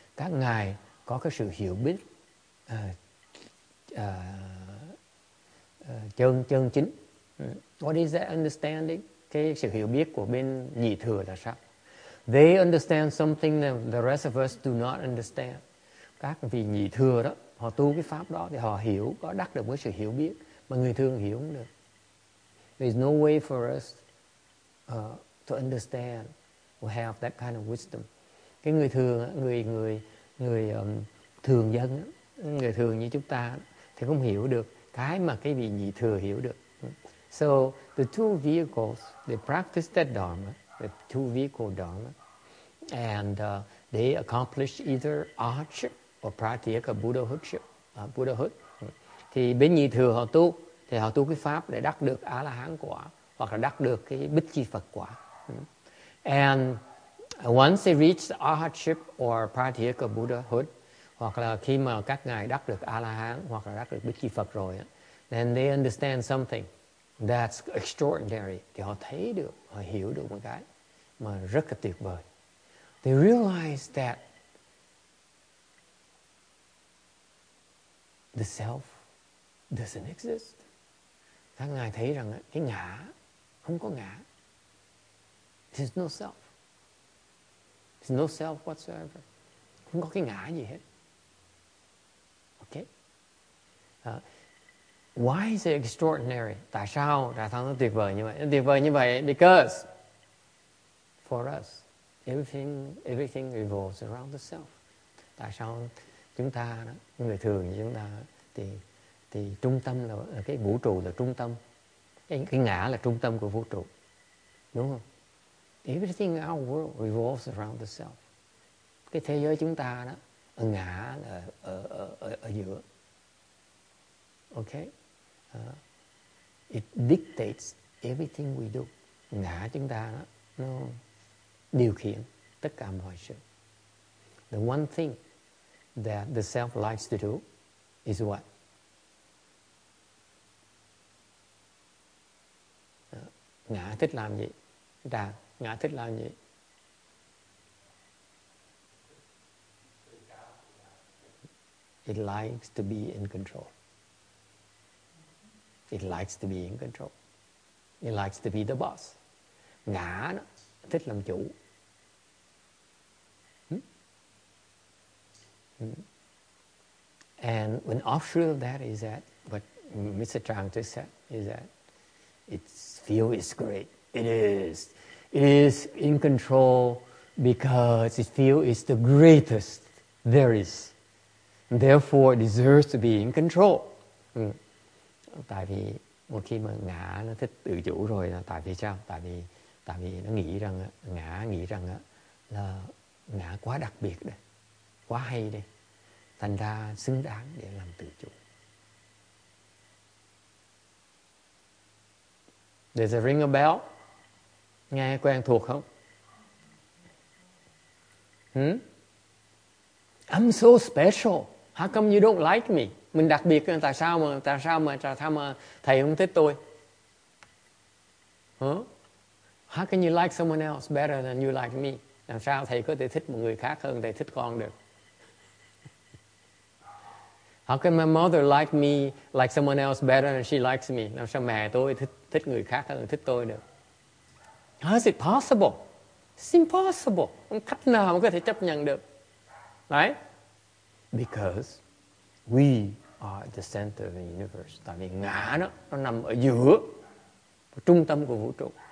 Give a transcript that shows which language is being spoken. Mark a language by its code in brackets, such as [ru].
[vi] Các ngài có cái sự hiểu biết chân chính. [en] What is that understanding? [vi] Cái sự hiểu biết của bên nhị thừa là sao? [en] They understand something that the rest of us do not understand. [vi] Các vị nhị thừa đó, họ tu cái pháp đó thì họ hiểu, có đắc được với sự hiểu biết mà người thường hiểu không được. [en] There is no way for us to understand or have that kind of wisdom. [vi] Cái người thường, người thường dân, người thường như chúng ta thì không hiểu được cái mà cái vị nhị thừa hiểu được. [en] So the two vehicles, they practice that dharma, the two vehicle dharma, and they accomplish either arhatship or pratyeka buddhahood. [vi] Thì bên nhị thừa họ tu, thì họ tu cái pháp để đắc được á la hán quả hoặc là đắc được cái bích chi phật quả. [en] And once they reach the arhatship or pratyeka buddhahood, [vi] hoặc là khi mà các ngài đắc được á la hán hoặc là đắc được bích chi phật rồi, [en] then they understand something that's extraordinary. [vi] Thì họ thấy được, họ hiểu được một cái mà rất là tuyệt vời. [en] They realize that the self doesn't exist. [vi] Các ngài thấy rằng cái ngã không có ngã. [en] There's no self. There's no self whatsoever. [vi] Không có cái ngã gì hết. [en] Okay? Why is it extraordinary? [vi] Tại sao đại thắng nó tuyệt vời như vậy? Tuyệt vời như vậy because [en] for us everything revolves around the self. [vi] Tại sao chúng ta người thường như chúng ta thì trung tâm là cái vũ trụ là trung tâm, cái ngã là trung tâm của vũ trụ, đúng không? [en] Everything in our world revolves around the self. [vi] Cái thế giới chúng ta đó ở ngã là ở giữa. [en] Okay, it dictates everything we do. [vi] Ngã chúng ta đó, nó điều khiển tất cả mọi sự. [en] The one thing that the self likes to do is what? [vi] Ngã thích làm gì? Đà, ngã thích làm gì? [en] It likes to be in control. It likes to be in control. It likes to be the boss. [vi] Ngã nó thích làm chủ. [en] And when offshoot of that is that, what Mr. Trang just said, is that its feel is great. It is. It is in control because its feel is the greatest there is. And therefore, it deserves to be in control. [vi] Tại vì một khi mà ngã nó thích tự chủ rồi là tại vì sao? Tại vì nó nghĩ rằng ngã nghĩ rằng là ngã quá đặc biệt đây, quá hay đây, thành ra xứng đáng để làm tự chủ. [en] There's a ring a bell. [vi] Nghe quen thuộc không? [en] I'm so special. How come you don't like me? [vi] Mình đặc biệt nên tại sao mà thầy không thích tôi? [en] How can you like someone else better than you like me? [vi] Làm sao thầy có thể thích một người khác hơn thầy thích con được? [en] How can my mother like me like someone else better than she likes me? [vi] Làm sao mẹ tôi thích người khác hơn thích tôi được? [en] How is it possible? It's impossible. [vi] Cách nào mà có thể chấp nhận được? [en] Right? Because we are the center of the universe. [vi] Tại vì ngã đó, nó nằm ở giữa trung tâm của vũ trụ.